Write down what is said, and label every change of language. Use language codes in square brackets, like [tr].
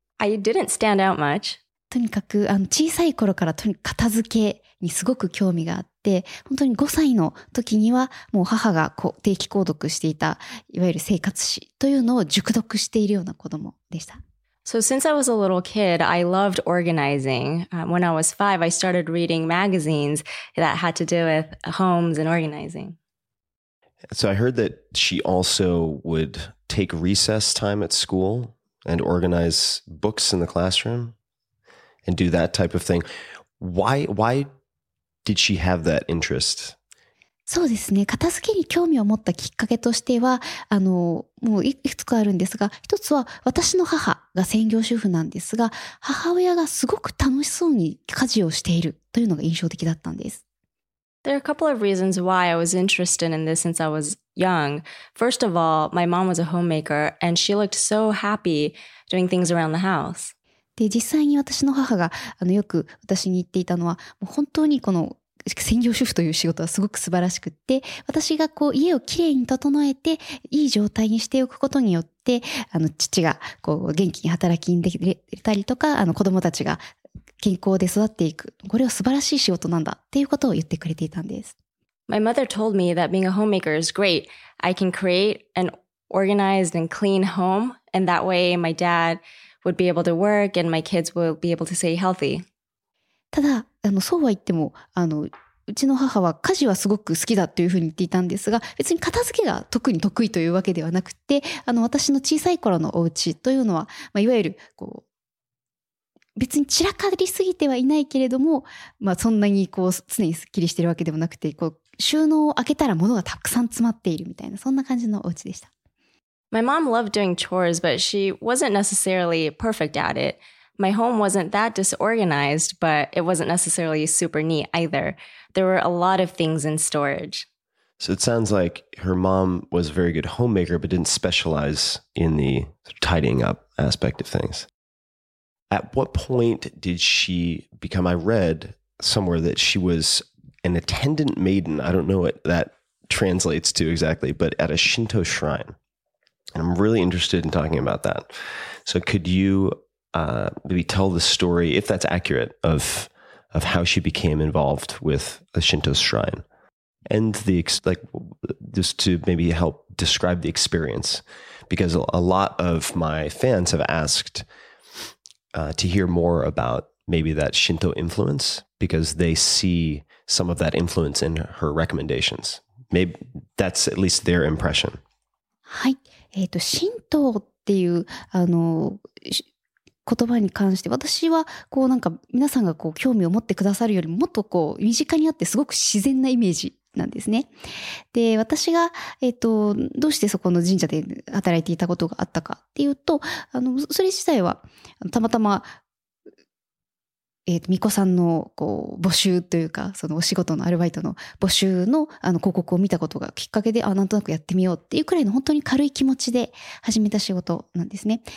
[en] I didn't stand out much. [ja] とにかく小さい頃から片付けにすごく興味があって、本当に5歳の時にはもう母が定期購読していたいわゆる生活史というのを熟読しているような子供でした。So [en] since I was a little kid, I loved organizing. When I was 5, I started reading magazines that had to do with homes and organizing. So I heard that she also would take recess time at school and organize books in the classroom and do that type of thing. Why did she have that interest? [ja] そうですね。片付けに興味を持ったきっかけとしては、もういくつかあるんですが、一つは私の母が専業主婦なんですが、母親がすごく楽しそうに家事をしているというのが印象的だったんです。 [en] There are a couple of reasons why I was interested in this since I was young. First of all, my mom was a homemaker and she looked so happy doing things around the house. [ja] で、実際に私の母がよく私に言っていたのは、もう本当にこの専業主婦という仕事はすごく素晴らしくって、私がこう家をきれいに整えていい状態にしておくことによって、父がこう元気に働きに出たりとか、子供たちが健康で育っていく、これは素晴らしい仕事なんだっていうことを言ってくれていたんです。 [en] My mother told me that being a homemaker is great. I can create an organized and clean home, and that way my dad would be able to work and my kids will be able to stay healthy. [ja] ただそうは言ってもうちの母は家事はすごく好きだというふうに言っていたんですが別に片付けが特に得意というわけではなくて私の小さい頃のお家というのは、まあ、いわゆるこう別に散らかりすぎてはいないけれども、まあ、そんなにこう常にすっきりしているわけでもなくてこう収納を開けたら物がたくさん詰まっているみたいなそんな感じのお家でした [en] My mom loved doing chores but she wasn't necessarily perfect at itMy home wasn't that disorganized, but it wasn't necessarily super neat either. There were a lot of things in storage. So it sounds like her mom was a very good homemaker, but didn't specialize in the tidying up aspect of things. At what point did she become, I read somewhere that she was an attendant maiden. I don't know what that translates to exactly, but at a Shinto shrine. And I'm really interested in talking about that. So could you... maybe tell the story, if that's accurate, of how she became involved with a Shinto shrine. And just to maybe help describe the experience. Because a lot of my fans have asked to hear more about maybe that Shinto influence, because they see some of that influence in her recommendations. Maybe that's at least their impression. [ja] はい。 Shinto っていう、言葉に関して私はこうなんか皆さんがこう興味を持ってくださるよりももっとこう身近にあってすごく自然なイメージなんですね。で、私が、どうしてそこの神社で働いていたことがあったかっていうと、それ自体はたまたま、巫女さんのこう募集というか、そのお仕事のアルバイトの募集の、広告を見たことがきっかけで、なんとなくやってみようっていうくらいの本当に軽い気持ちで始めた仕事なんですね。